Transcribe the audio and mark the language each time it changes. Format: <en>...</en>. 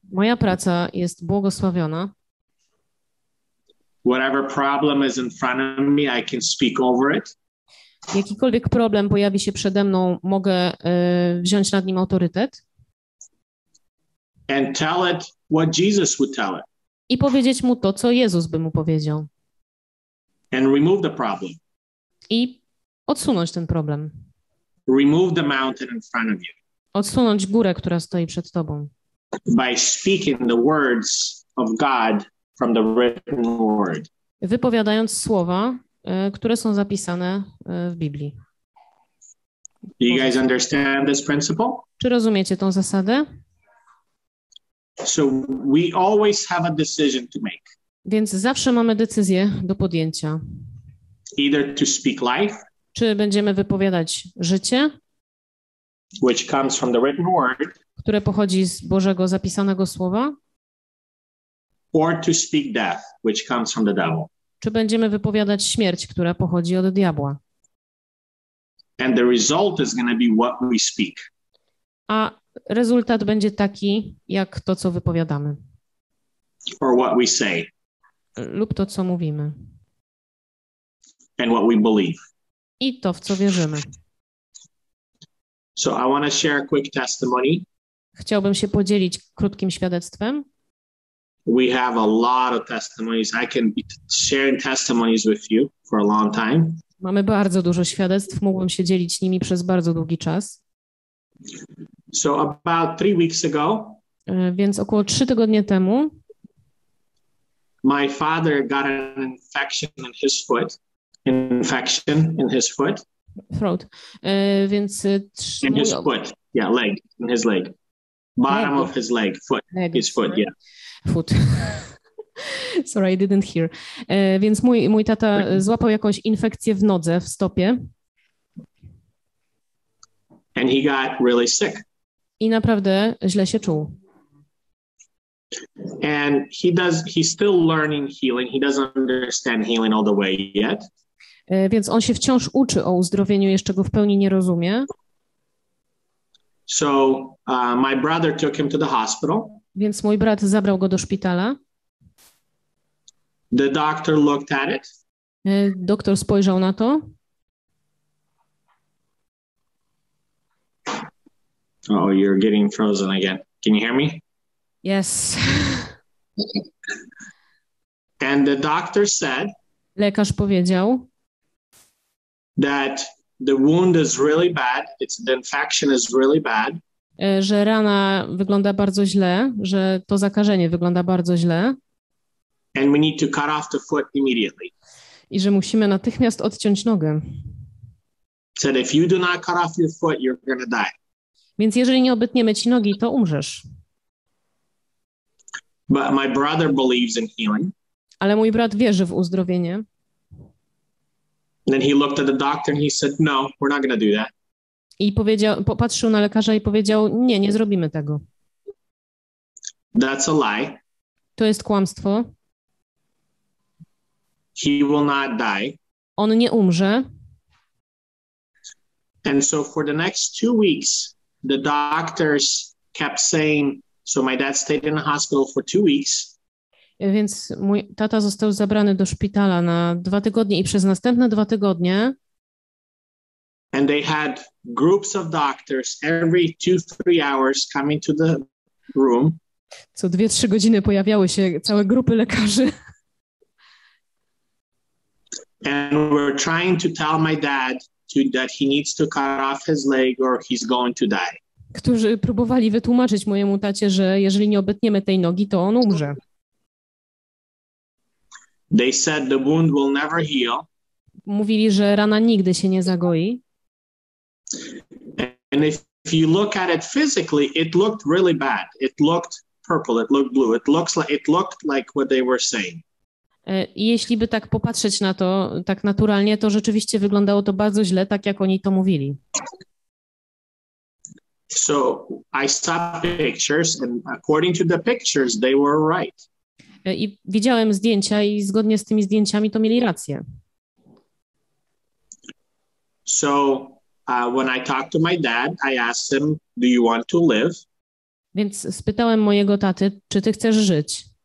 <pl>Moja praca jest błogosławiona.</pl> <en>Whatever problem is in front of me, I can speak over it.</en> <pl>Jakikolwiek problem pojawi się przede mną, mogę wziąć nad nim autorytet.</pl> <en>And tell it what Jesus would tell it.</en> <pl>I powiedzieć mu to, co Jezus by mu powiedział.</pl> <en>And remove the problem.</en> <pl>I odsunąć ten problem.</pl> <en>Remove the mountain in front of you.</en> <pl>Odsunąć górę, która stoi przed tobą.</pl> <en>By speaking the words of God from the written word.</en> <pl>Wypowiadając słowa, które są zapisane w Biblii.</pl> <en>Do you guys understand this principle?</en> <pl>Czy rozumiecie tą zasadę?</pl> <en>So we always have a decision to make.</en> <pl>Więc zawsze mamy decyzję do podjęcia.</pl> <en>Either to speak life,</en> <pl>czy będziemy wypowiadać życie,</pl> <en>which comes from the written word,</en> <pl>które pochodzi z Bożego zapisanego słowa,</pl> <en>or to speak death, which comes from the devil.</en> <pl>Czy będziemy wypowiadać śmierć, która pochodzi od diabła.</pl> <en>And the result is going to be what we speak.</en> <pl>A rezultat będzie taki, jak to, co wypowiadamy.</pl> <en>Or what we say.</en> <pl>Lub to, co mówimy.</pl> <en>And what we believe.</en> <pl>I to, w co wierzymy.</pl> <en>So I want to share a quick testimony.</en> <pl>Chciałbym się podzielić krótkim świadectwem.</pl> <en>We have a lot of testimonies. I can be sharing testimonies with you for a long time.</en> <pl>Mamy bardzo dużo świadectw. Mógłbym się dzielić nimi przez bardzo długi czas.</pl> <en>So about 3 weeks ago.</en> <pl>Więc około 3 tygodnie temu.</pl> <en>My father got an infection in his foot. Infection in his foot. Throat.</en> <pl>Więc.</pl> <en>In his foot. Yeah, leg. In his leg. Bottom leg. Of his leg. Foot. Leg. His foot. Yeah. Foot. Sorry, I didn't hear.</en> <pl>Więc mój tata złapał jakąś infekcję w nodze, w stopie.</pl> <en>And he got really sick.</en> <pl>I naprawdę źle się czuł.</pl> <en>And he's still learning healing. He doesn't understand healing all the way yet.</en> <pl>Więc on się wciąż uczy o uzdrowieniu, jeszcze go w pełni nie rozumie.</pl> <en>So my brother took him to the hospital.</en> <pl>Więc mój brat zabrał go do szpitala.</pl> <en>The doctor looked at it.</en> <pl>Doktor spojrzał na to.</pl> <en>Oh, you're getting frozen again. Can you hear me? Yes. And the doctor said.</en> <pl>Lekarz powiedział.</pl> <en>That the wound is really bad. It's the infection is really bad.</en> <pl>Że rana wygląda bardzo źle, że to zakażenie wygląda bardzo źle.</pl> <en>And we need to cut off the foot immediately.</en> <pl>I że musimy natychmiast odciąć nogę.</pl> <en>Said if you do not cut off your foot, you're gonna die.</en> <pl>Więc jeżeli nie obetniemy ci nogi, to umrzesz.</pl> <en>But my brother believes in healing.</en> <pl>Ale mój brat wierzy w uzdrowienie.</pl> <en>And then he looked at the doctor and he said, no, we're not gonna do that.</en> <pl>I powiedział, popatrzył na lekarza i powiedział, nie, nie zrobimy tego.</pl> <en>That's a lie.</en> <pl>To jest kłamstwo.</pl> <en>He will not die.</en> <pl>On nie umrze.</pl> <en>And so for the next 2 weeks, the doctors kept saying, so my dad stayed in the hospital for 2 weeks.</en> <pl>Więc mój tata został zabrany do szpitala na 2 tygodnie i przez następne 2 tygodnie.</pl> <en>And they had groups of doctors every 2-3 hours coming to the room.</en> <pl>Co 2-3 godziny pojawiały się całe grupy lekarzy.</pl> <en>And we're trying to tell my dad to, that he needs to cut off his leg or he's going to die.</en> <pl>Którzy próbowali wytłumaczyć mojemu tacie, że jeżeli nie obetniemy tej nogi, to on umrze.</pl> <en>They said the wound will never heal.</en> <pl>Mówili, że rana nigdy się nie zagoi.</pl> <en>And if you look at it physically, it looked really bad. It looked purple, it looked blue. It looked like what they were saying.</en> <pl>Jeśli by tak popatrzeć na to, tak naturalnie, to rzeczywiście wyglądało to bardzo źle, tak jak oni to mówili.</pl> <en>So I saw pictures, and according to the pictures, they were right.</en> <pl>I widziałem zdjęcia i zgodnie z tymi zdjęciami to mieli rację.</pl> <en>So when I talked to my dad, I asked him, do you want to live?</en> <pl>Więc spytałem mojego taty, czy ty chcesz żyć?</pl>